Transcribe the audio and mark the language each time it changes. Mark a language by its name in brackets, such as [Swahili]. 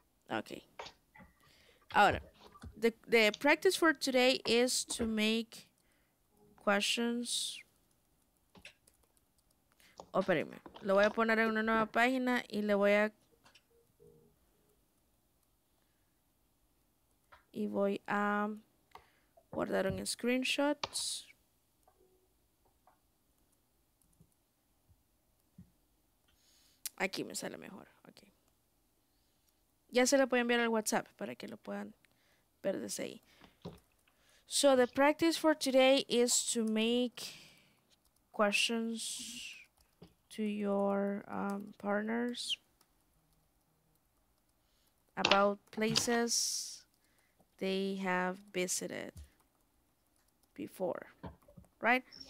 [English] Okay. Ahora, the practice for today is to make questions. [Spanish] Espérenme. Lo voy a poner en una nueva página y le voy a... Y voy a guardar un screenshot. Aquí me sale mejor, ok. Ya se lo pueden enviar al WhatsApp para que lo puedan ver desde ahí. [English] So, the practice for today is to make questions to your partners about places they have visited before, right?